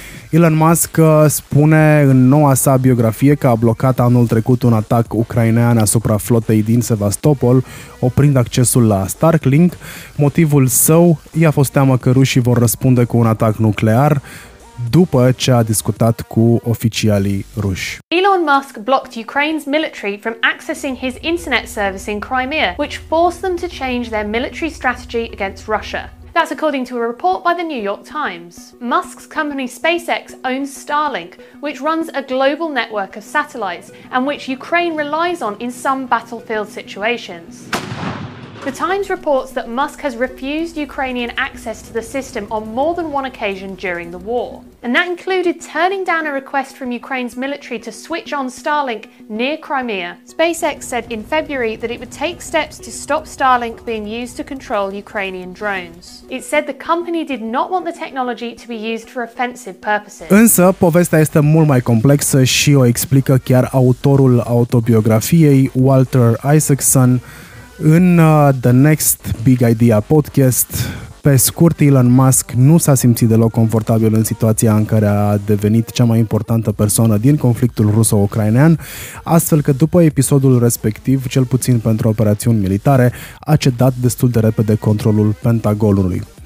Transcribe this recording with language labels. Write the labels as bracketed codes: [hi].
[ro] Elon Musk spune în noua sa biografie că a blocat anul trecut un atac ucrainean asupra flotei din Sevastopol, oprind accesul la Starlink. Motivul său i-a fost teamă că rușii vor răspunde cu un atac nuclear după ce a discutat cu oficialii ruși. [en] Elon Musk blocked Ukraine's military from accessing his internet service in Crimea, which forced them to change their military strategy against Russia. That's according to a report by the New York Times. Musk's company SpaceX owns Starlink, which runs a global network of satellites and which Ukraine relies on in some battlefield situations. The Times reports that Musk has refused Ukrainian access to the system on more than one occasion during the war. And that included turning down a request from Ukraine's military to switch on Starlink near Crimea. SpaceX said in February that it would take steps to stop Starlink being used to control Ukrainian drones. It said the company did not want the technology to be used for offensive purposes. [ro] Însă, povestea este mult mai complexă și o explică chiar autorul autobiografiei, Walter Isaacson, în The Next Big Idea podcast. Pe scurt, Elon Musk nu s-a simțit deloc confortabil în situația în care a devenit cea mai importantă persoană din conflictul ruso-ucrainean, astfel că după episodul respectiv, cel puțin pentru operațiuni militare, a cedat destul de repede controlul Pentagonului.